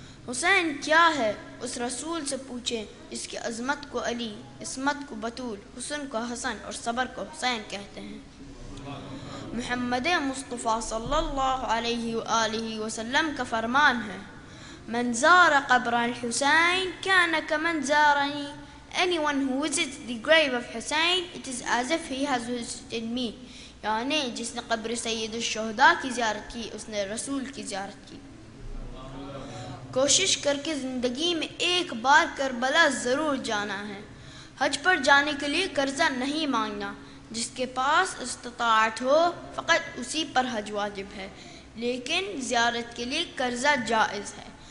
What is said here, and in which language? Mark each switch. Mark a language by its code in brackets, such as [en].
[ur] حسین کیا ہے اس رسول سے پوچھیں جس کی عظمت کو علی، عصمت کو بتول، حسن کو حسن اور صبر کو حسین کہتے ہیں. محمد مصطفیٰ صلی اللہ علیہ وآلہ وسلم کا فرمان ہے: [ar] من زار قبر الحسين كان كمن زارني. [en] Anyone who visits the grave of Hussein, it is as if he has visited me. [ur] یعنی جس نے قبر سید الشہداء کی زیارت کی، اس نے رسول کی زیارت کی. کوشش کر کے زندگی میں ایک بار کربلا ضرور جانا ہے. حج پر جانے کے لیے قرضہ نہیں مانگنا، جس کے پاس استطاعت ہو فقط اسی پر حج واجب ہے، لیکن زیارت کے لیے قرضہ جائز ہے.